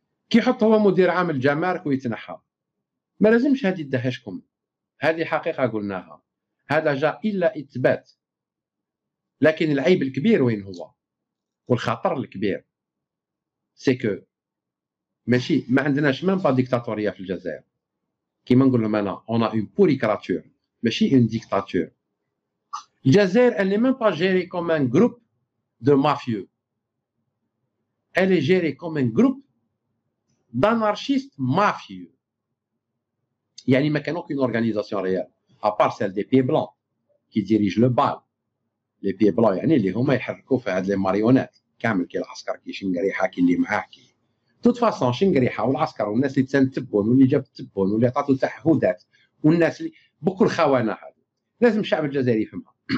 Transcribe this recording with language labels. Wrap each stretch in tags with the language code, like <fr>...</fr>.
<ar>كي يحط هو مدير عام الجمارك ويتنحى، ما لازمش هذه تدهشكم، هذه حقيقه قلناها، هذا جاء الا اثبات. لكن العيب الكبير وين هو والخطر الكبير؟ سي كو ماشي، ما عندناش ميم با ديكتاتوريه في الجزائر، كيما نقول لهم انا اون ا اون بوليكراتور ماشي اون ديكتاتور.</ar> <fr>الجزائر elle n'est même pas gérée comme un groupe de mafieux. Elle est gérée comme un groupe d'anarchistes mafieux.</fr> <ar>يعني ما كان</ar> <fr>aucune organisation réelle à part celle des pieds blancs qui dirigent le bal. Les pieds blancs</fr> <ar>يعني اللي هما يحركوا في هاد لي ماريونات كامل، كي العسكر كي شنقريحه كي اللي معاه كي. توت فاصون شنقريحه والعسكر والناس اللي تنتبون واللي جاب تبون واللي عطاتو تعهدات والناس اللي بكل خوانه هذه. لازم الشعب الجزائري يفهمها.</ar>